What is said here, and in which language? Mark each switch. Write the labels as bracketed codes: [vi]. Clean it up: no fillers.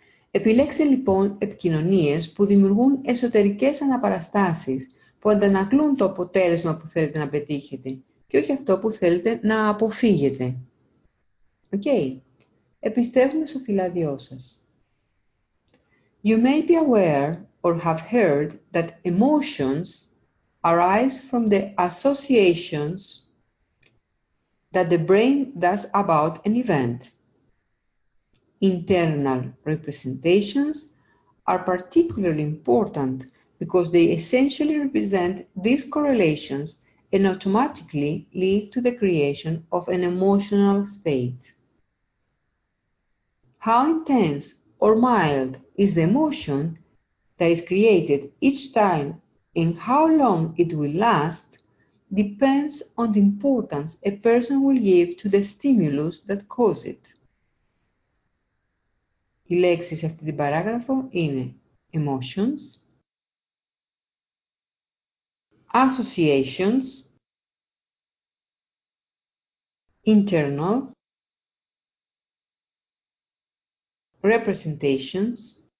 [el] Επιλέξτε λοιπόν επικοινωνίες που δημιουργούν εσωτερικές αναπαραστάσεις που αντανακλούν το αποτέλεσμα που θέλετε να πετύχετε και όχι αυτό που θέλετε να αποφύγετε. Okay. Επιστρέφουμε στο φυλάδιό σας. [en] You may be aware or have heard that emotions arise from the associations that the brain does about an event. Internal representations are particularly important because they essentially represent these correlations and automatically lead to the creation of an emotional state. How intense or mild is the emotion that is created each time and how long it will last depends on the importance a person will give to the stimulus that caused it. [el] Οι λέξεις σε αυτή την παράγραφο είναι [en] emotions, associations, internal, representations,